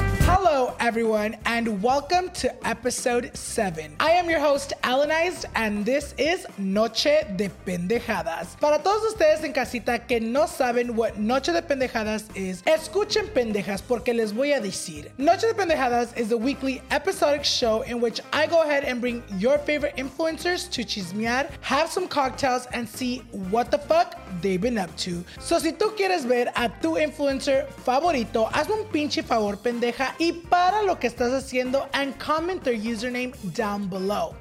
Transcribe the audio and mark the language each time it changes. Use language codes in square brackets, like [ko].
[en] Hello, everyone, and welcome to episode 7. I am your host, Alanized, and this is Noche de Pendejadas. [es] Para todos ustedes en casita que no saben [en] what Noche de Pendejadas is, [es] escuchen pendejas porque les voy a decir. [en] Noche de Pendejadas is a weekly episodic show in which I go ahead and bring your favorite influencers to chismear, have some cocktails, and see what the fuck they've been up to. [es] So si tú quieres ver a tu influencer favorito, hazme un pinche favor, pendeja, y para lo que estás haciendo [en] and comment their username down below.